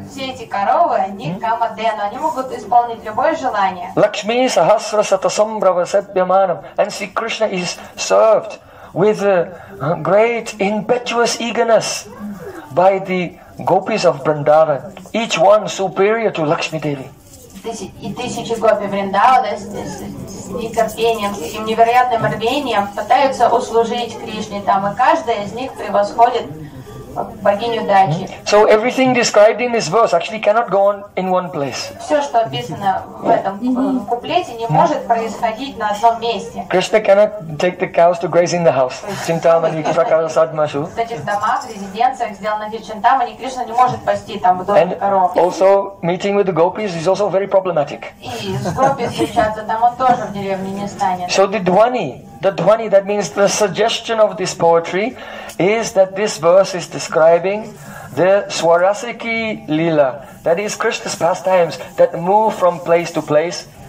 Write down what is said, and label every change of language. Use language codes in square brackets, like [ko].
[sa] Lakshmi sahasra satasambrava sadhyamanam. [en] And see, Krishna is served with a great impetuous eagerness by the gopis of Vrindavan, each one superior to Lakshmi Devi. [ru] И тысячи гопи Вриндавана с нетерпением, с этим невероятным рвением пытаются услужить Кришне там, и каждая из них превосходит богиню Дачи. [en] So everything described in this verse actually cannot go on in one place. [ru] Все, что описано в этом куплете, не может происходить на одном месте. [en] Krishna cannot take the cows to graze in the house. [sa] Чинтамани Кришна садмашу. [ru] В этих домах, в резиденциях, сделанных в Чинтамани, Кришна не может пасти там в доме коров. [en] Also meeting with the gopis is also very problematic. [ru] И с гопи встречаться там он тоже в деревне не станет. [en] So the dhwani. The dhwani, that means the suggestion of this poetry, is that this verse is describing the swarasiki lila, that is Krishna's pastimes that move from place to place.